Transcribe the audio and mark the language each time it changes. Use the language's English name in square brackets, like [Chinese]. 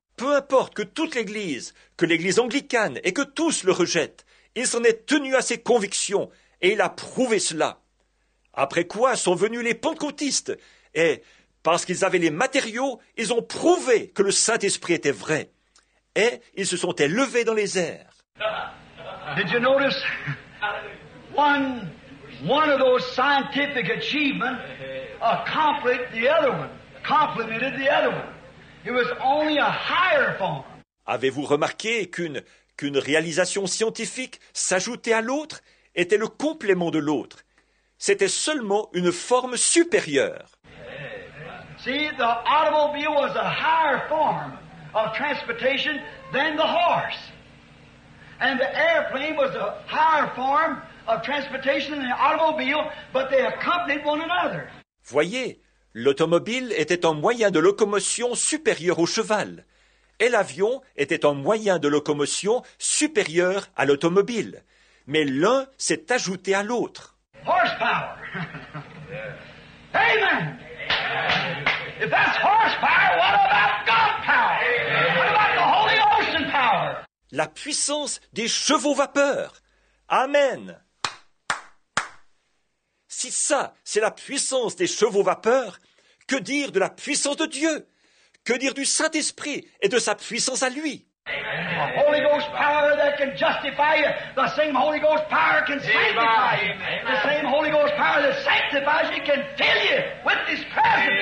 [French] Peu importe que toute l'Église, que l'Église anglicane et que tous le rejettent, il s'en est tenu à ses convictions et il a prouvé cela. Après quoi sont venus les pentecôtistes et, parce qu'ils avaient les matériaux, ils ont prouvé que le Saint-Esprit était vrai. Et ils se sont élevés dans les airs. [English] Did you notice one of those scientific achievements accomplished the other one, complemented the other one? It was only a higher form. [French] Avez-vous remarqué qu'une réalisation scientifique s'ajoutait à l'autre était le complément de l'autre? C'était seulement une forme supérieure. [English] See, the automobile was a higher form of transportation than the horse. And the airplane was a higher form of transportation than the automobile, but they accompanied one another. [French] Voyez, l'automobile était un moyen de locomotion supérieur au cheval, et l'avion était un moyen de locomotion supérieur à l'automobile. Mais l'un s'est ajouté à l'autre. [English] Horsepower. Amen. If that's horsepower, what about God power? What about the Holy Ocean power? [French] La puissance des chevaux-vapeurs. Amen. Si ça, c'est la puissance des chevaux-vapeurs, que dire de la puissance de Dieu? que dire du Saint-Esprit et de sa puissance à lui? [English] The Holy Ghost power that can justify you, the same Holy Ghost power can sanctify you. Amen. The same Holy Ghost power that sanctifies you can fill you with His presence.